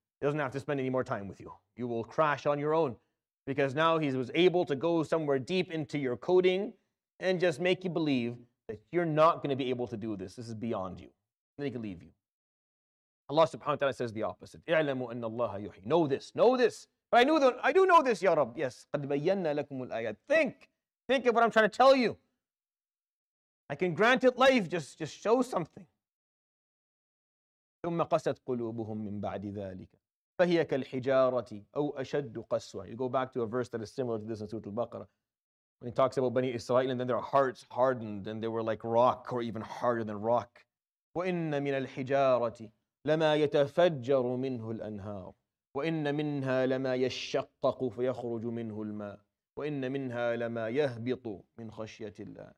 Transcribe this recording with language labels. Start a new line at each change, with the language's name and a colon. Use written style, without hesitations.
English: He doesn't have to spend any more time with you. You will crash on your own, because now he was able to go somewhere deep into your coding and just make you believe that you're not going to be able to do this. This is beyond you. Then he can leave you. Allah subhanahu wa ta'ala says the opposite.
Arabic: اِعْلَمُوا أَنَّ اللَّهَ يُحْيِي.
English: Know this. But I do know this, Ya Rabb.
Arabic: Yes. قَدْ بَيَّنَّا لَكُمُ الْآيَاتِ.
English: Think of what I'm trying to tell you. I can grant it life. Just show something.
Arabic: ثُمَّ قَسَتْ قُلُوبُهُم مِّن بَعْدِ ذَلِكَ. فهي كالحجارة أو أشد قسوة.
English: You go back to a verse that is similar to this in Surah Al-Baqarah. When he talks about Bani Israel, and then their hearts hardened, and they were like rock, or even harder than rock.
Arabic: وَإِنَّ مِنَ الْحِجَارَةِ لَمَا يَتَفَجَّرُ مِنْهُ الْأَنْهَارُ وَإِنَّ مِنْهَا لَمَا يَشَّقَّقُ فَيَخْرُجُ مِنْهُ الْمَاءُ وَإِنَّ مِنْهَا لَمَا يَهْبِطُ مِنْ خَشْيَةِ اللَّهِ.